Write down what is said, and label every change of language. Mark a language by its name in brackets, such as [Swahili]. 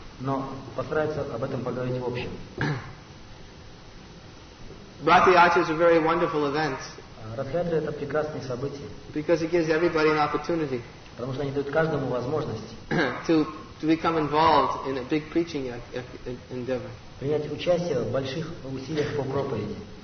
[Russian] Но постараюсь об этом поговорить в общем. [English] Радхаятра is a very wonderful event. [Russian] Радхаятра — это прекрасное событие. [English] Because it gives everybody an opportunity. [Russian] Потому что они дают каждому возможность. [English] To become involved in a big preaching endeavor. [Russian] Принять участие в больших усилиях по проповеди.